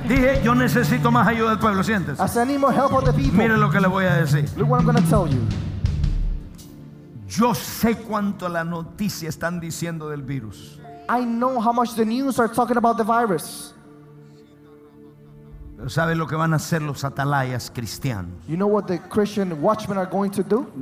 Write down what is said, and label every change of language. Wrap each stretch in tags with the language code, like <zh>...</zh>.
<es>Dije, yo necesito más ayuda del pueblo, sientes.</es> <en>I need more help of the people.</en> <es>Mire lo que le voy a decir.</es> <en>Look what I'm gonna tell you.</en> <es>Yo sé cuánto la noticia están diciendo del virus.</es> <en>I know how much the news are talking about the virus.</en> <es>Pero ¿sabe lo que van a hacer los atalayas cristianos?</es> <en>You know what the Christian watchmen are going to do?</en>